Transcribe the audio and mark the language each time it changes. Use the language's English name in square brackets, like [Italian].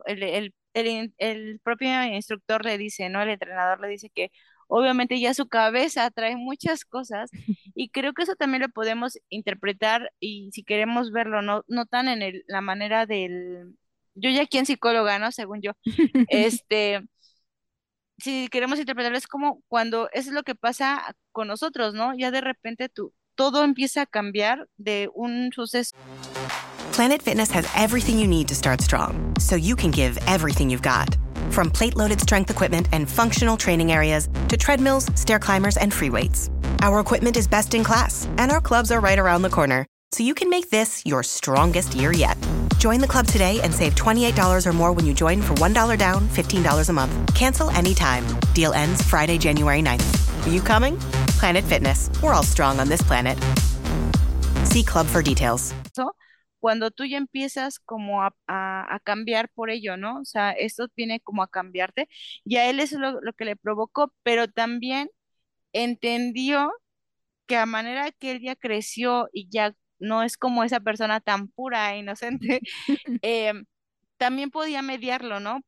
[Spanish] El propio instructor le dice, ¿no? El entrenador le dice que obviamente ya su cabeza trae muchas cosas y creo que eso también lo podemos interpretar y si queremos verlo, no tan en la manera del, yo ya aquí en psicóloga, ¿no? Según yo, si queremos interpretarlo, es como cuando eso es lo que pasa con nosotros, ¿no? Ya de repente todo empieza a cambiar de un suceso. [English] Planet Fitness has everything you need to start strong, so you can give everything you've got. From plate-loaded strength equipment and functional training areas to treadmills, stair climbers, and free weights. Our equipment is best in class, and our clubs are right around the corner, so you can make this your strongest year yet. Join the club today and save $28 or more when you join for $1 down, $15 a month. Cancel anytime. Deal ends Friday, January 9th. Are you coming? Planet Fitness. We're all strong on this planet. See club for details. [Spanish] So, cuando tú ya empiezas como a cambiar por ello, ¿no? O sea, esto viene como a cambiarte. Y a él eso es lo que le provocó, pero también entendió que a manera que él ya creció y ya no es como esa persona tan pura e inocente, también podía mediarlo, ¿no?